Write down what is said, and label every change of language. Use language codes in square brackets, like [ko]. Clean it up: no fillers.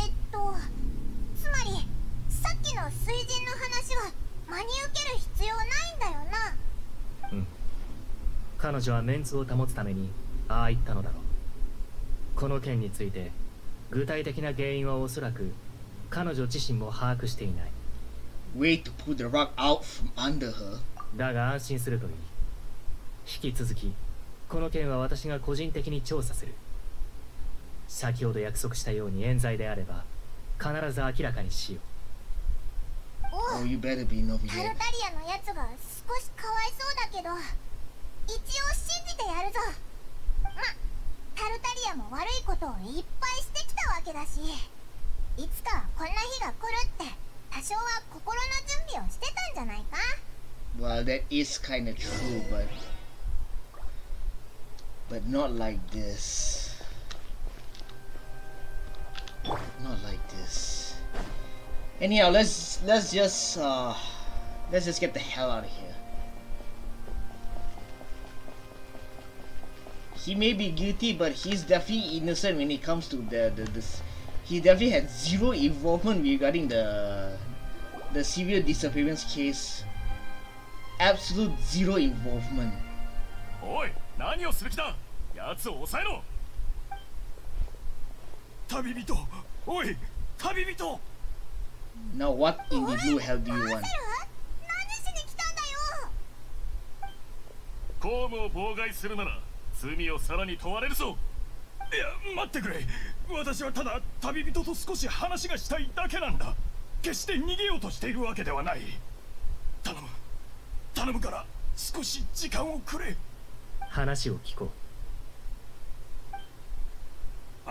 [ja] つまりさっきの水神の話は真に受ける必要ないんだよな。彼女はメンツを保つためにああ言ったのだろう。この件について具体的な原因はおそらく彼女自身も把握していない。 [en] Wait to pull the rug out from under her. [ja] だが安心するといい。引き続きこの件は私が個人的に調査する。先ほど約束したように冤罪であれば必ず明らかにしよう。おお、 [en] you better be no [ja] タルタリアのやつが少しかわいそうだけど一応信じてやるぞ。ま、タルタリアも悪いことをいっぱいしてきたわけだし、いつかこんな日が来るって多少は心の準備をしてたんじゃないか。 [en] Well, that is kind of true, but not like this. Not like this. Anyhow, let's just get the hell out of here. He may be guilty, but he's definitely innocent when it comes to this. He definitely had zero involvement regarding the severe disappearance case. Absolute zero involvement. Oi! What are you doing? Yats, osai no! [ja] Tabibito! Oi! Tabibito! [en] Now, what in the blue hell do you want? [ja] 罪をさらに問われるぞ。いや、待ってくれ。私はただ旅人と少し話がしたいだけなんだ。決して逃げようとしているわけではない。頼むから少し時間をくれ。話を聞こう。